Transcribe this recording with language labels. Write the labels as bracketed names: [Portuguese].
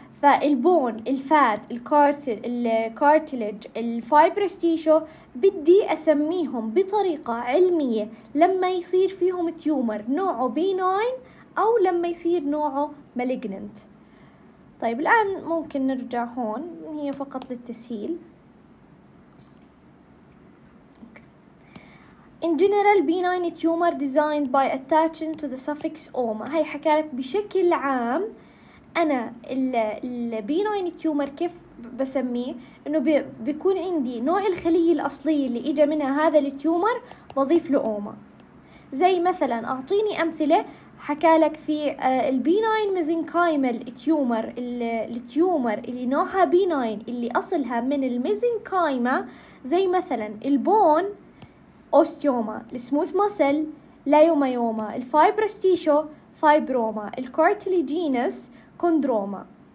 [Arabic] فالبون الفات الكارتيلج الفايبرس تيشو بدي اسميهم بطريقه علميه لما يصير فيهم تيومر نوعه بي 9 او لما يصير نوعه مالجننت. طيب الان ممكن نرجع هون، هي فقط للتسهيل. [English] In general, B9 tumor designed by attaching to the suffix oma. [Arabic] هاي حكالك بشكل عام أنا ال B9 tumor كيف بسميه؟ إنه بيكون عندي نوع الخلية الأصلية اللي إجا منها هذا التيومر بضيف له oma. زي مثلا أعطيني أمثلة، حكالك في ال B9 mesenchymal tumor التيومر اللي نوعها B9 اللي أصلها من الميزينكايما، زي مثلا البون أوستيوما، السموث مسل لايومايوما، الفايبرستيشو فايبروما، الكارتليجينس كوندروما.